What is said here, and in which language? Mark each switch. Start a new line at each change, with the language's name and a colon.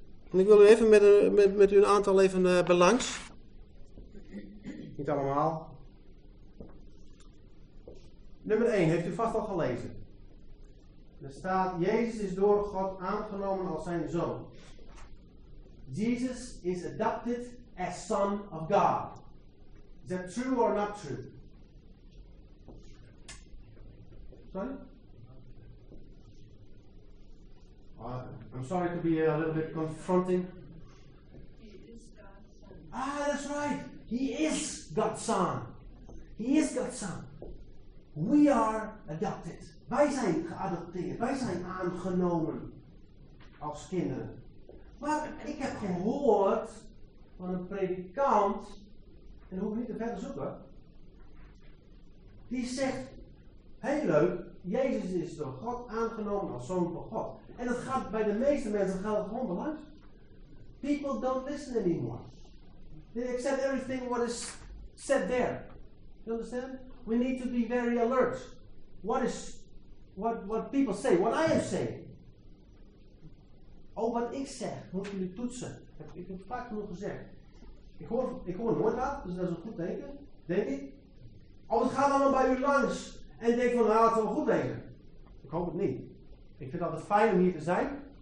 Dutch: En ik wil u even met u een aantal even belangs. Niet allemaal. Nummer 1 heeft u vast al gelezen. Er staat, Jezus is door God aangenomen als zijn zoon.
English: Jesus is adopted as son of God. Is that true or not true? Sorry? I'm sorry to be a little bit confronting. He is God's son. Ah, that's right. He is God's son. He is God's son. We are adopted.
Dutch: Wij zijn geadopteerd. Wij zijn aangenomen als kinderen. Maar ik heb gehoord van een predikant, en dan hoef ik niet te verder zoeken, die zegt, hey, leuk, Jezus is door God aangenomen als zoon van God. En dat gaat bij de meeste mensen gaat het gewoon belangrijk.
English: People don't listen anymore. They accept everything what is said there. You understand? We need to be very alert. What people say, what I am saying.
Dutch: Oh, wat ik zeg, moet jullie toetsen. Ik heb vaak genoeg gezegd. Ik hoor nooit dat, dus dat is een goed teken, denk ik. Oh, het gaat allemaal bij u langs. En denk van, nou, laten we goed denken. Ik hoop het niet. Ik vind het altijd fijn om hier te zijn.